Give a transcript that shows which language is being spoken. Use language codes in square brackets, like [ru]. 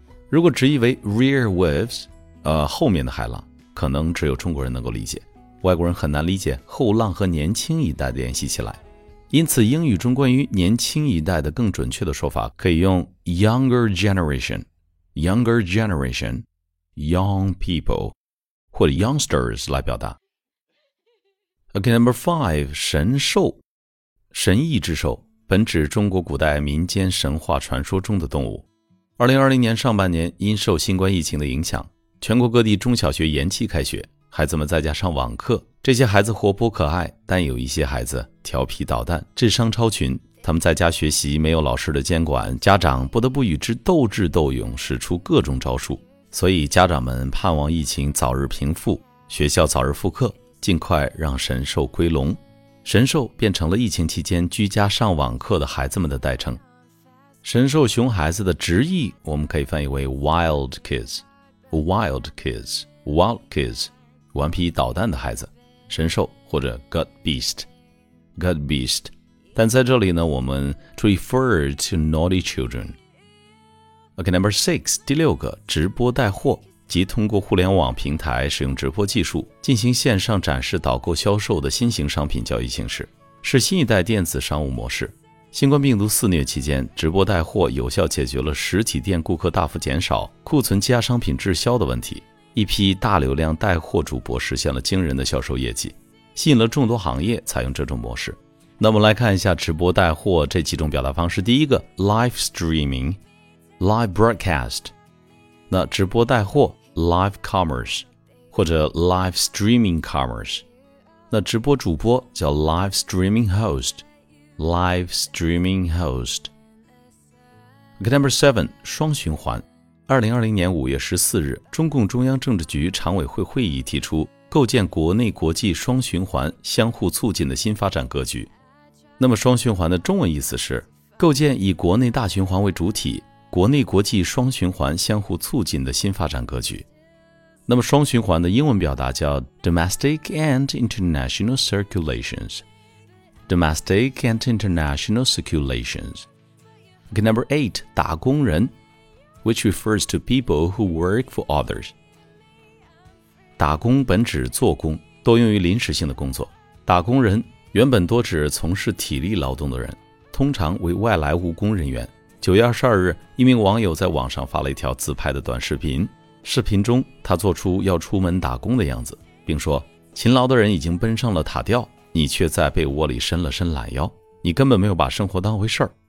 [zh] 如果直译为 [en] rear waves, [zh] 后面的海浪，可能只有中国人能够理解，外国人很难理解后浪和年轻一代的联系起来。因此英语中关于年轻一代的更准确的说法可以用 [en] younger generation, younger generation, young people, [zh] 或者 [en] youngsters [zh] 来表达。 [en] OK, number five, [zh] 神兽。神异之兽本指中国古代民间神话传说中的动物。 2020年上半年，因受新冠疫情的影响，全国各地中小学延期开学，孩子们在家上网课。这些孩子活泼可爱，但有一些孩子调皮捣蛋，智商超群。他们在家学习，没有老师的监管，家长不得不与之斗智斗勇，使出各种招数。所以家长们盼望疫情早日平复，学校早日复课，尽快让神兽归笼。神兽变成了疫情期间居家上网课的孩子们的代称。神兽熊孩子的直译我们可以翻译为 [en] wild kids, wild kids, wild kids, [zh] 顽皮捣蛋的孩子。神兽或者 [en] God Beast, God Beast, [zh] 但在这里呢，我们 [en] to refer to naughty children. OK, number six, [zh] 第六个，直播带货，即通过互联网平台使用直播技术进行线上展示导购销售的新型商品交易形式，是新一代电子商务模式。新冠病毒肆虐期间，直播带货有效解决了实体店顾客大幅减少、库存积压商品滞销的问题。一批大流量带货主播实现了惊人的销售业绩，吸引了众多行业采用这种模式。那我们来看一下直播带货这几种表达方式。第一个 [en] Live Streaming, Live Broadcast, [zh] 那直播带货 [en] Live Commerce, [zh] 或者 [en] Live Streaming Commerce, [zh] 那直播主播叫 [en] Live Streaming Host, Live Streaming Host。 Okay, number seven, [zh] 双循环。 2020年5月14日，中共中央政治局常委会会议提出构建国内国际双循环相互促进的新发展格局。那么双循环的中文意思是构建以国内大循环为主体，国内国际双循环相互促进的新发展格局。那么双循环的英文表达叫 [en] domestic and international circulations. Domestic and international circulations. Okay, number 8, [zh] 打工人 [en] which refers to people who work for others. [zh] 打工本指做工，多用于临时性的工作。打工人原本多指从事体力劳动的人，通常为外来务工人员。 9月22日，一名网友在网上发了一条自拍的短视频，视频中他做出要出门打工的样子，并说勤劳的人已经奔上了塔吊，你却在被窝里伸了伸懒腰，你根本没有把生活当回事儿。